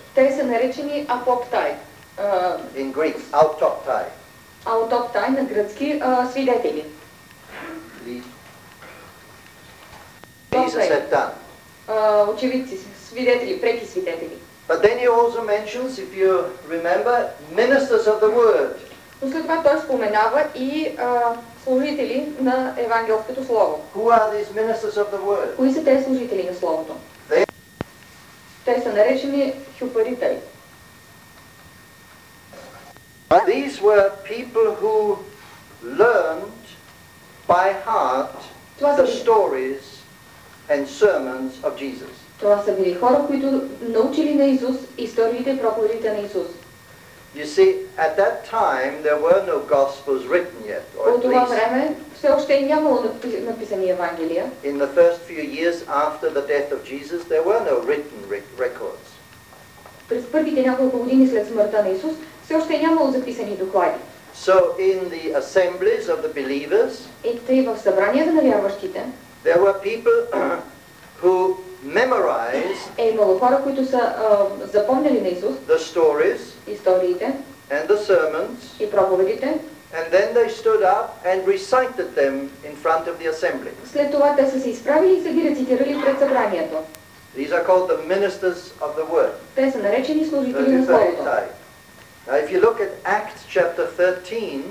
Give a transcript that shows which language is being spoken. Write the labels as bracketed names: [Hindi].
[Bulgarian] Те са наречени апоптай. [English] In Greek, autoptai. [Bulgarian] Аутоптай на гръцки свидетели. [English] Jesus had done. [Bulgarian] Очевидци, свидетели, преки свидетели. [English] But then he also mentions, if you remember, ministers of the word. [Bulgarian] Но след това той споменава и служители на евангелското слово. [English] Who are these ministers of the word? [Bulgarian] Кои са тези служители на словото? Те са наречени хюпаритай. [English] These were people who learned by heart the stories and sermons of Jesus. [Bulgarian] Това са били хора, които научили на Исус историите и проповедите на Исус. [English] You see, at that time there were no gospels written yet. [Bulgarian] По това време все още нямало написани евангелия. [English] In the first few years after the death of Jesus, there were no written records. [Bulgarian] През първите няколко години след смъртта на Исус все още нямало записани доклади. [English] So in the assemblies of the believers, [Bulgarian] и тъй в събранията на вярващите, [English] there were people who memorized, [Bulgarian] е имало хора, които са запомнили на Исус, [English] the stories, [Bulgarian] историите, [English] and the sermons, [Bulgarian] и проповедите, [English] and then they stood up and recited them in front of the assembly. [Bulgarian] След това те са се изправили и са ги рецитирали пред събранието. [English] These are called the ministers of the word. [Bulgarian] Те са наречени служители на Словото. [English] Now if you look at Acts chapter 13,